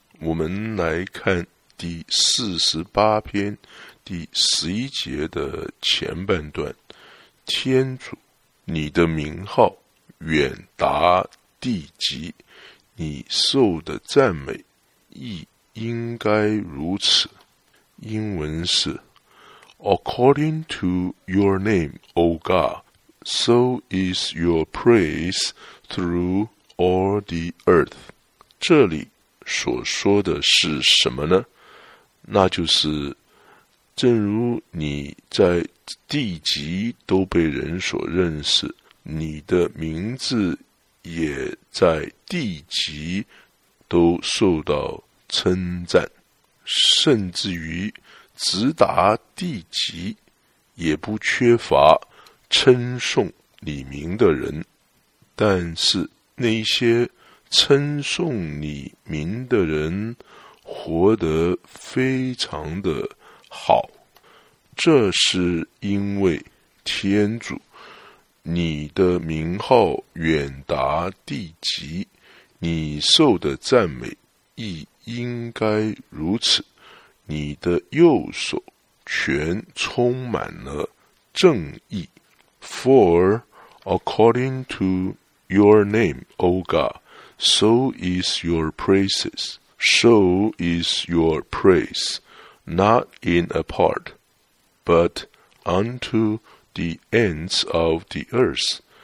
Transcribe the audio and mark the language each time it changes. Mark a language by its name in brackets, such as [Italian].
[Chinese] 我们来看第48篇第11节的前半段，天主，你的名号远达地极，你受的赞美亦应该如此。英文是 [English] According to your name, O God, so is your praise through all the earth。 [Chinese] 这里所说的是什么呢？那就是，正如你在地极都被人所认识，你的名字也在地极都受到称赞，甚至于直达地极也不缺乏称颂你名的人。但是那些称颂你名的人活得非常的好，这是因为天主，你的名号远达地极，你受的赞美亦应该如此。你的右手全充满了正义。 [English] For according to your name, O God, so is your praises, so is your praise, not in a part, but unto the ends of the earth.